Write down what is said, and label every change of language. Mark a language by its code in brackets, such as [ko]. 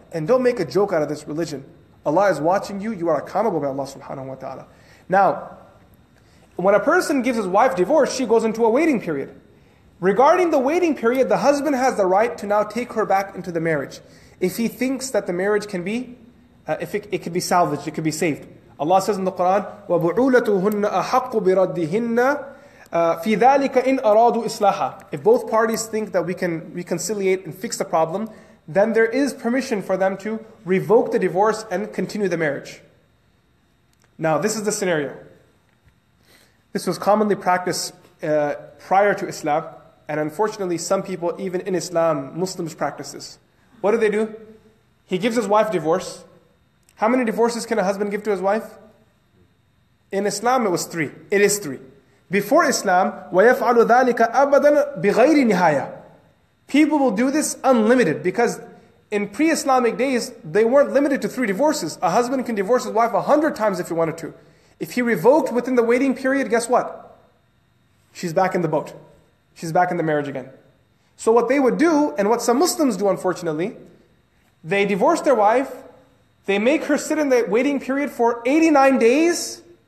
[en] And don't make a joke out of this religion. Allah is watching you. You are accountable by Allah subhanahu wa ta'ala. Now, when a person gives his wife divorce, she goes into a waiting period. Regarding the waiting period, the husband has the right to now take her back into the marriage if he thinks that the marriage can be, if it can be salvaged, it can be saved. [ar] Allah says in the Quran, وَبُعُولَتُهُنَّ أَحَقُّ بِرَدِّهِنَّ فِي ذَلِكَ إِنْ أَرَادُوا إِصْلَاحًا. [en] If both parties think that we can reconciliate and fix the problem, then there is permission for them to revoke the divorce and continue the marriage. Now, this is the scenario. This was commonly practiced prior to Islam, and unfortunately some people, even in Islam, Muslims practice this. What do they do? He gives his wife divorce. How many divorces can a husband give to his wife? In Islam it was 3. It is 3. [ar] Before Islam, وَيَفْعَلُ ذَلِكَ أَبَدًا بِغَيْرِ نِهَايَةً. [en] People will do this unlimited, because in pre-Islamic days, they weren't limited to 3 divorces. A husband can divorce his wife 100 times if he wanted to. If he revoked within the waiting period, guess what? She's back in the boat. She's back in the marriage again. So what they would do, and what some Muslims do unfortunately, they divorce their wife, they make her sit in the waiting period for 89 days.